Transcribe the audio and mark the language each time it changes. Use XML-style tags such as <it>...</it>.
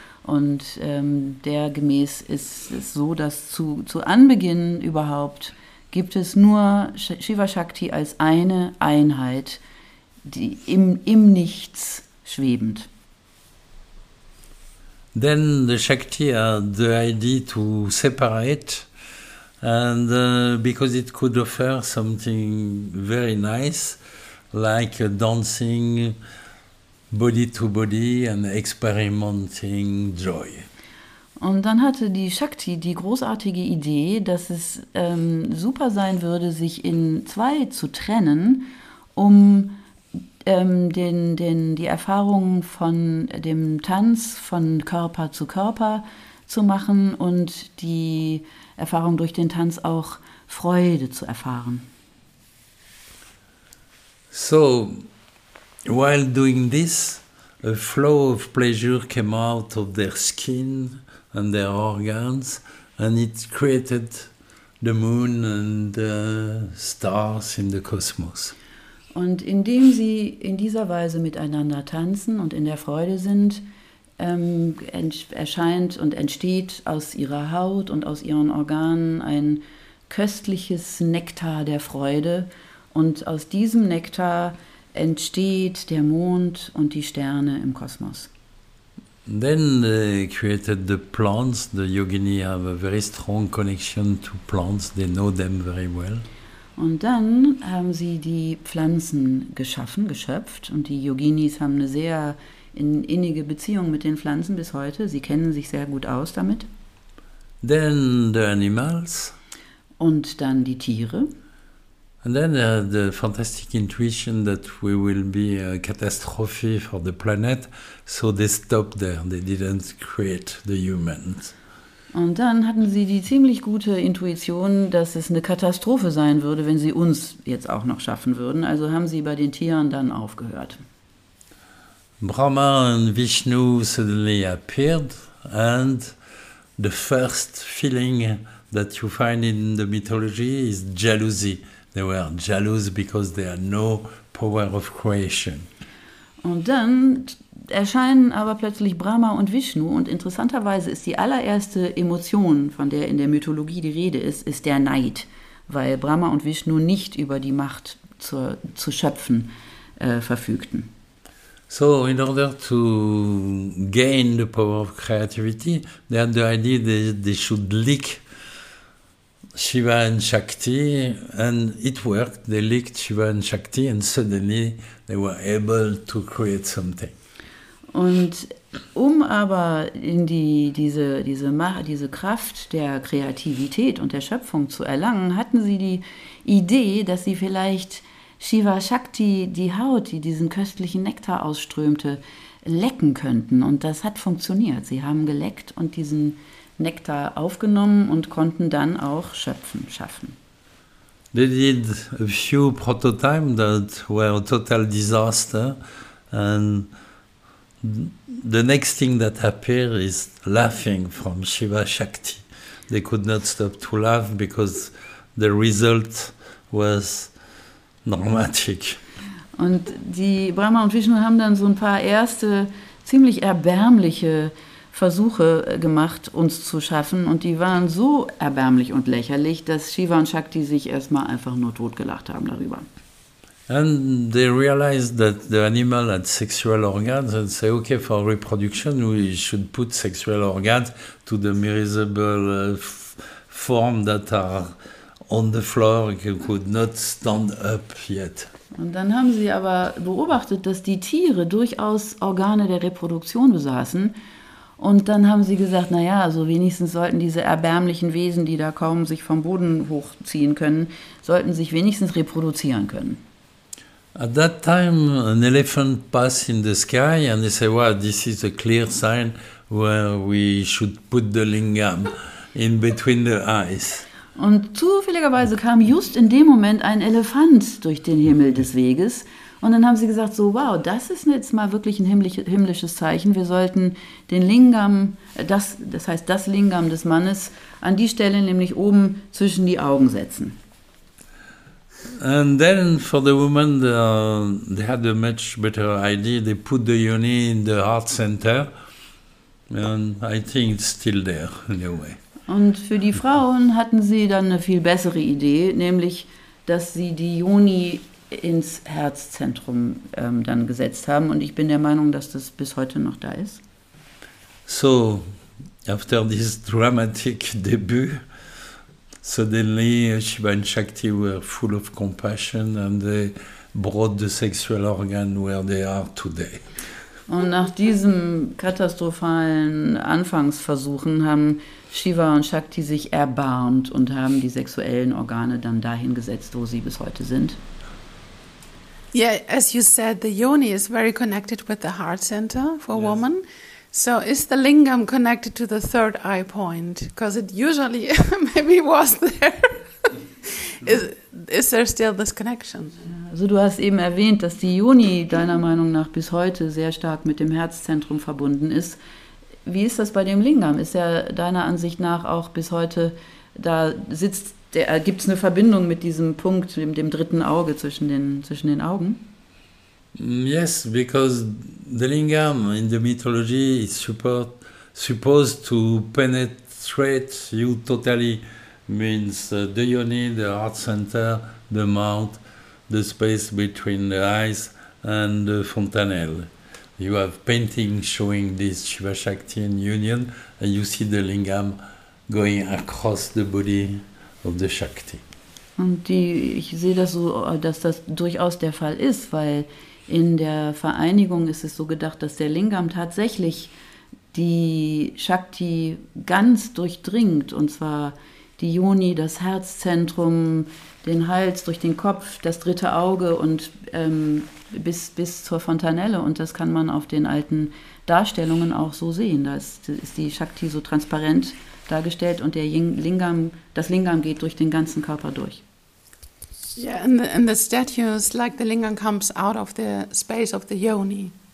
<de>Und dergemäß ist es so, dass zu Anbeginn überhaupt gibt es nur Shiva Shakti als eine Einheit, die im Nichts schwebend.</de> <en>Then the Shakti had the idea to separate, and because it could offer something very nice, like dancing body to body and experimenting joy.</en> <de>Und dann hatte die Shakti die großartige Idee, dass es super sein würde, sich in zwei zu trennen, um die Erfahrungen von dem Tanz von Körper zu Körper zu machen und die Erfahrung durch den Tanz auch Freude zu erfahren.</de> <en>So, while doing this, a flow of pleasure came out of their skin and their organs and it created the moon and the stars in the cosmos.</en> <de>Und indem sie in dieser Weise miteinander tanzen und in der Freude sind, erscheint und entsteht aus ihrer Haut und aus ihren Organen ein köstliches Nektar der Freude. Und aus diesem Nektar entsteht der Mond und die Sterne im Kosmos.</de> <en>Then they created the plants. The yogini have a very strong connection to plants. They know them very well.</en> <de>Und dann haben sie die Pflanzen geschaffen, geschöpft. Und die Yoginis haben eine sehr innige Beziehung mit den Pflanzen bis heute. Sie kennen sich sehr gut aus damit.</de> <en>Then the animals.</en> <de>Und dann die Tiere.</de> <en>And then the fantastic intuition that we will be a catastrophe for the planet, so they stopped there, they didn't create the humans.</en> <de>Und dann hatten sie die ziemlich gute Intuition, dass es eine Katastrophe sein würde, wenn sie uns jetzt auch noch schaffen würden, also haben sie bei den Tieren dann aufgehört.</de> <en>Brahma and Vishnu suddenly appeared, and the first feeling that you find in the mythology is jealousy. They were jealous because they had no power of creation.</en> <de>Und dann erscheinen aber plötzlich Brahma und Vishnu, und interessanterweise ist die allererste Emotion, von der in der Mythologie die Rede ist, ist der Neid, weil Brahma und Vishnu nicht über die Macht zu schöpfen verfügten.</de> <en>So in order to gain the power of creativity, they had the idea that they should lick Shiva and Shakti, and it worked. They licked Shiva and Shakti, and suddenly they were able to create something.</en> <de>Und aber in diese Kraft der Kreativität und der Schöpfung zu erlangen, hatten sie die Idee, dass sie vielleicht Shiva Shakti, die Haut, die diesen köstlichen Nektar ausströmte, lecken könnten. Und das hat funktioniert. Sie haben geleckt und diesen Nektar aufgenommen und konnten dann auch schöpfen, schaffen.</de> <en>They did a few prototypes that were a total disaster. And the next thing that appeared is laughing from Shiva Shakti. They could not stop to laugh because the result was dramatic.</en> <de>Und die Brahma und Vishnu haben dann so ein paar erste ziemlich erbärmliche Versuche gemacht, uns zu schaffen, und die waren so erbärmlich und lächerlich, dass Shiva und Shakti sich erstmal einfach nur totgelacht haben darüber.</de> <en>And they realized that the animal had sexual organs and say, okay, for reproduction we should put sexual organs to the miserable form that are on the floor and could not stand up yet.</en> <de>Und dann haben sie aber beobachtet, dass die Tiere durchaus Organe der Reproduktion besaßen. Und dann haben sie gesagt, naja, also wenigstens sollten diese erbärmlichen Wesen, die da kaum sich vom Boden hochziehen können, sollten sich wenigstens reproduzieren können.</de> <en>At that time, an elephant passed in the sky and they said, wow, this is a clear sign where we should put the lingam in between the eyes.</en> <de>Und zufälligerweise kam just in dem Moment ein Elefant durch den Himmel des Weges. Und dann haben sie gesagt, so, wow, das ist jetzt mal wirklich ein himmlisches Zeichen. Wir sollten den Lingam, das heißt das Lingam des Mannes, an die Stelle, nämlich oben zwischen die Augen setzen.</de> <en>And then for the woman, they had a much better idea. They put the yoni in the heart center. And I think it's still there, in a way.</en> <de>Und für die Frauen hatten sie dann eine viel bessere Idee, nämlich, dass sie die Yoni ins Herzzentrum dann gesetzt haben. Und ich bin der Meinung, dass das bis heute noch da ist.</de> <en>So, after this dramatic debut, suddenly Shiva and Shakti were full of compassion and they brought the sexual organ where they are today.</en> <de>Und nach diesem katastrophalen Anfangsversuchen haben Shiva und Shakti sich erbarmt und haben die sexuellen Organe dann dahin gesetzt, wo sie bis heute sind.</de> <en>Yeah, as you said, the yoni is very connected with the heart center for a woman. So is the lingam connected to the third eye point? Because it usually maybe was there. Is there still this connection?</en> <de>Also du hast eben erwähnt, dass die Yoni deiner Meinung nach bis heute sehr stark mit dem Herzzentrum verbunden ist. Wie ist das bei dem Lingam? Ist er deiner Ansicht nach auch bis heute, da sitzt der, gibt es eine Verbindung mit diesem Punkt, dem dritten Auge zwischen den Augen?</de> <en>Yes, because the Lingam in the mythology is supposed to penetrate you totally. Means the yoni, the heart center, the mouth, the space between the eyes and the fontanelle. You have paintings showing this Shiva Shakti and union, and you see the lingam going across the body of the Shakti.</en> <de>Und die, ich sehe das so, dass das durchaus der Fall ist, weil in der Vereinigung ist es so gedacht, dass der Lingam tatsächlich die Shakti ganz durchdringt, und zwar die Yoni, das Herzzentrum, den Hals, durch den Kopf, das dritte Auge und bis zur Fontanelle. Und das kann man auf den alten Darstellungen auch so sehen. Da ist die Shakti so transparent dargestellt und der Lingam, das Lingam geht durch den ganzen Körper durch.</de> <en>Yeah, and the statues, like the Lingam comes out of the space of the Yoni.</en>